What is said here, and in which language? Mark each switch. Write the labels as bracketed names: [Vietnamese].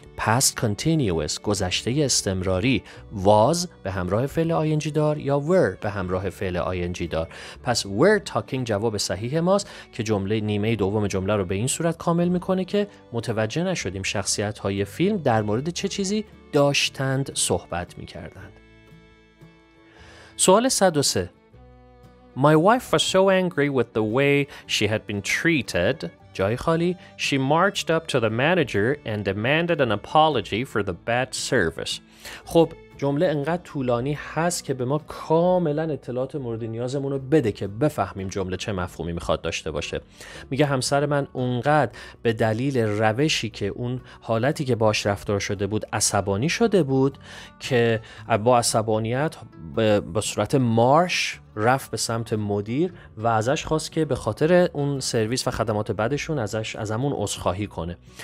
[English] Past continuous، [Persian] گذشته استمراری، was به همراه فعل ing دار یا were به همراه فعل ing دار. پس [English] were talking [Persian] جواب صحیح ماست که جمله نیمه دوم جمله رو به این صورت کامل می کنه که متوجه نشدیم شخصیت های فیلم در مورد چه چیزی داشتند صحبت می کردند. سوال 103، [English] My wife was so angry with the way she had been treated. [Persian] جای خالی. [English] She marched up to the manager and demanded an apology for the bad service. [Persian] خب جمله انقدر طولانی هست که به ما کاملا اطلاعات مورد نیازمون رو بده که بفهمیم جمله چه مفهومی میخواد داشته باشه. میگه همسر من اونقدر به دلیل روشی که اون حالتی که باش رفتار شده بود عصبانی شده بود که با عصبانیت به صورت مارش رفت به سمت مدیر و ازش خواست که به خاطر اون سرویس و خدمات بعدشون ازش ازمون عذرخواهی کنه.